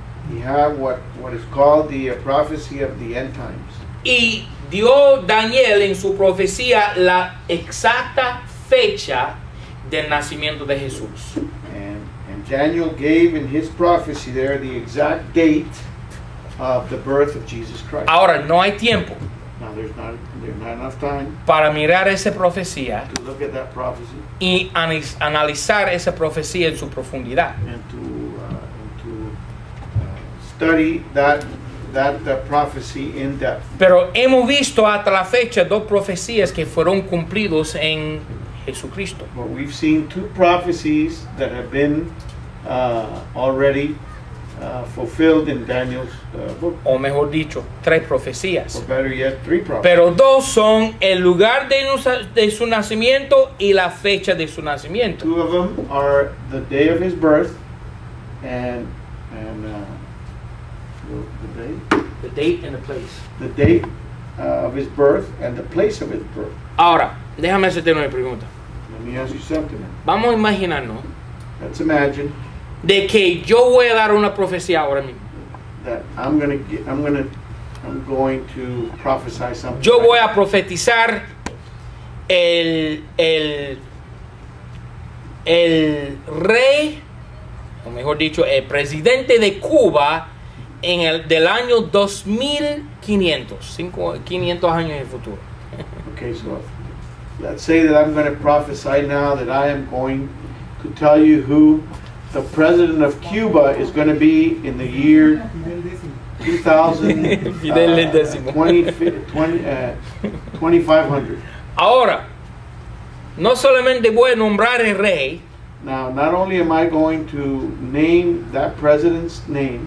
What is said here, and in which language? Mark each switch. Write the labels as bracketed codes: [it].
[en] We have what is called the prophecy of the end times. [es] Y dio Daniel en su profecía la exacta fecha del nacimiento de Jesús. [en] And Daniel gave in his prophecy there the exact date of the birth of Jesus Christ. [es] Ahora, no hay tiempo. [en] Now, there's not enough time [es] para mirar esa profecía [en] to look at that prophecy [es] y analizar esa profecía en su profundidad. [en] And to study that prophecy in depth. [es] Pero hemos visto hasta la fecha dos profecías que fueron cumplidos en Jesucristo. [en] But we've seen two prophecies that have been already fulfilled in Daniel's book. [es] O mejor dicho, tres profecías. [en] Or better yet, three prophecies. [es] Pero dos son el lugar de su nacimiento y la fecha de su nacimiento. [en] Two of them are the day of his birth and the day. The date and the place. The date of his birth and the place of his birth. [es] Ahora, déjame hacerte una pregunta. [en] Let me ask you something. [es] Vamos a imaginarnos. [en] Let's imagine. [es] De que yo voy a dar una profecía ahora mismo. [en] That I'm going to prophesy something. [es] Yo voy a profetizar el rey, o mejor dicho, el presidente de Cuba. En el del año 2500 años en el futuro. [en] Okay, so let's say that I'm going to prophesy now that I am going to tell you who the president of Cuba is going to be in the year 2500. [es] Ahora, no solamente voy a nombrar el rey. [en] Now, not only am I going to name that president's name,